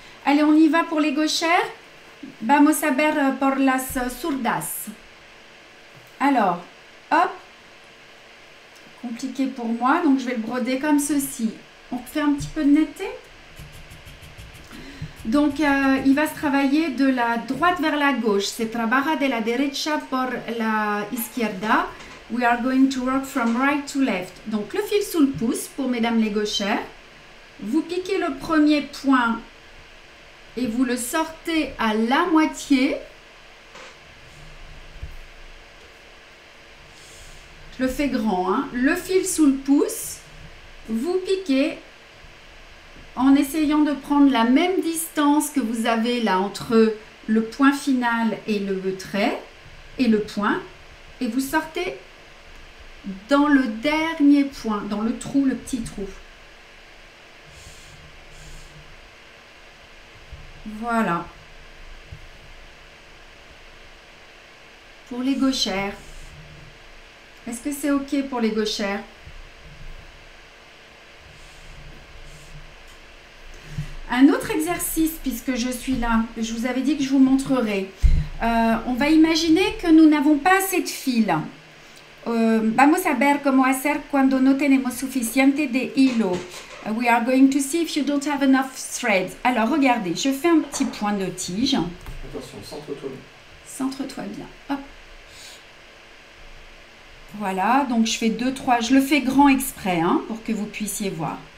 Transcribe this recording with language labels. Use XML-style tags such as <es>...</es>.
<fr>Allez, on y va pour les gauchères.</fr> <es>Vamos a ver por las sourdas.</es> <fr>Alors, hop. Compliqué pour moi, donc je vais le broder comme ceci. On fait un petit peu de netteté. Donc, il va se travailler de la droite vers la gauche.</fr> <es>Se trabaja de la derecha por la izquierda.</es> <en>We are going to work from right to left.</en> <fr>Donc, le fil sous le pouce pour mesdames les gauchères. Vous piquez le premier point et vous le sortez à la moitié. Je le fais grand, hein. Le fil sous le pouce, vous piquez en essayant de prendre la même distance que vous avez là entre le point final et le trait et le point, et vous sortez dans le dernier point, dans le trou, le petit trou. Voilà. Pour les gauchères. Est-ce que c'est OK pour les gauchères? Un autre exercice, puisque je suis là, je vous avais dit que je vous montrerai. On va imaginer que nous n'avons pas assez de fils.</fr> <es>Vamos a ver cómo hacer cuando no tenemos suficiente de hilo.</es> <en>We are going to see if you don't have enough threads.</en> <fr>Alors, regardez, je fais un petit point de tige. Attention, centre-toi bien. Centre-toi bien. Hop. Voilà, donc je fais 2, 3, je le fais grand exprès hein, pour que vous puissiez voir.</fr>